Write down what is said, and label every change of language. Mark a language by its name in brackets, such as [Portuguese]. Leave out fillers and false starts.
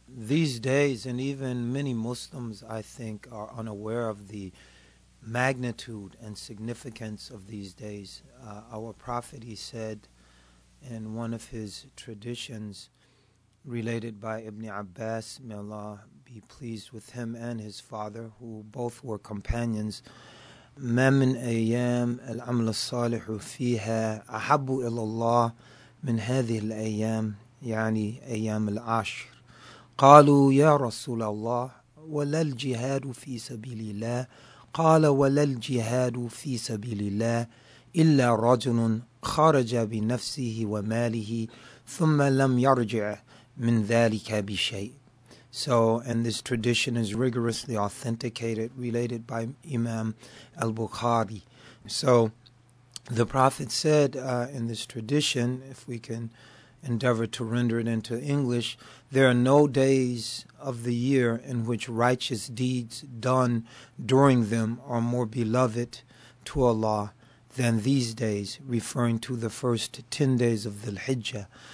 [English] These days, and even many Muslims, I think, are unaware of the magnitude and significance of these days. Our Prophet, he said in one of his traditions, related by Ibn Abbas, may Allah be pleased with him and his father, who both were companions [Arabic] ما من أيام العمل الصالح فيها أحب إلى الله من هذه الأيام يعني أيام العشر. قالوا يا رسول الله ولا الجهاد في سبيل الله؟ قال ولا الجهاد في سبيل الله إلا رجل خرج بنفسه وماله ثم لم يرجع من ذلك بشيء. [English] So, and this tradition is rigorously authenticated, related by Imam al-Bukhari. So, the Prophet said in this tradition, if we can endeavor to render it into English, there are no days of the year in which righteous deeds done during them are more beloved to Allah than these days, referring to the first 10 days of Dhul-Hijjah.